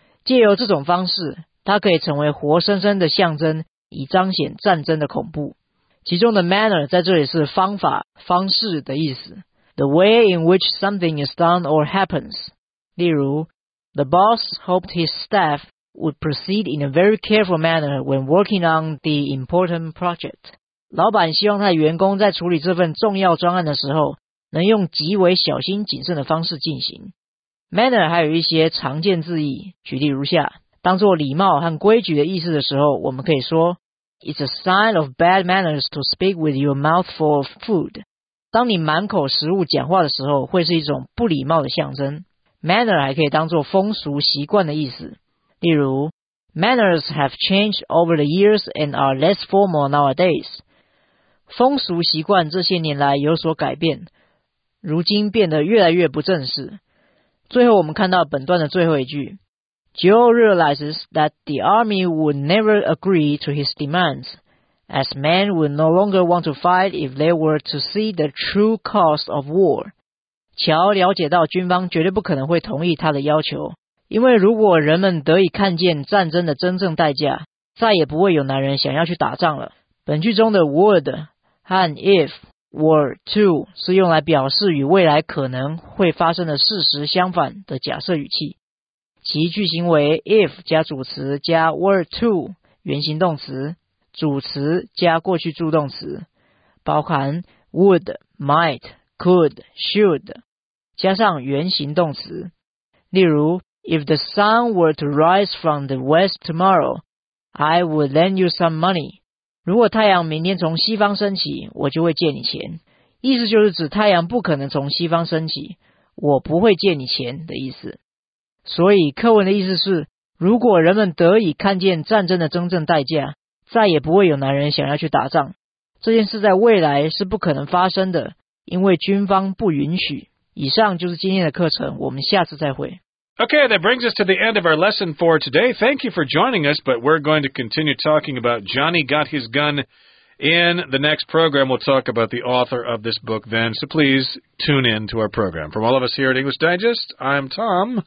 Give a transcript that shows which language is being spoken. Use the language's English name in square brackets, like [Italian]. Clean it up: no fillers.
[Chinese] 借由这种方式，他可以成为活生生的象征，以彰显战争的恐怖。其中的 manner 在这里是方法、方式的意思。 [English] The way in which something is done or happens. [Chinese] 例如 [English] The boss hoped his staff would proceed in a very careful manner when working on the important project. [Chinese] 老板希望他的员工在处理这份重要专案的时候能用极为小心谨慎的方式进行。 Manner 还有一些常见字义，举例如下，当作礼貌和规矩的意思的时候，我们可以说 [English] It's a sign of bad manners to speak with your mouth full of food. [Chinese] 当你满口食物讲话的时候，会是一种不礼貌的象征。 [English] Manner [Chinese] 还可以当作风俗习惯的意思，例如 [English] Manners have changed over the years and are less formal nowadays. [Chinese] 风俗习惯这些年来有所改变，如今变得越来越不正式。最后我们看到本段的最后一句， [English] Joe realizes that the army would never agree to his demands, as men would no longer want to fight if they were to see the true cost of war. [Chinese] 乔了解到军方绝对不可能会同意他的要求，因为如果人们得以看见战争的真正代价，再也不会有男人想要去打仗了。本句中的 would 和 if were to 是用来表示与未来可能会发生的事实相反的假设语气，其句型为 if 加主词加 were to 原形动词，主词加过去助动词，包含 would, might, could, should 加上原形动词。例如 [English] If the sun were to rise from the west tomorrow, I would lend you some money. [Chinese] 如果太阳明天从西方升起，我就会借你钱。意思就是指太阳不可能从西方升起，我不会借你钱的意思。所以课文的意思是，如果人们得以看见战争的真正代价，再也不会有男人想要去打仗。这件事在未来是不可能发生的，因为军方不允许。以上就是今天的课程，我们下次再会。 [English] Okay, that brings us to the end of our lesson for today. Thank you for joining us, but we're going to continue talking about Johnny Got His Gun in the next program. We'll talk about the author of this book then, so please tune in to our program. From all of us here at English Digest, I'm Tom.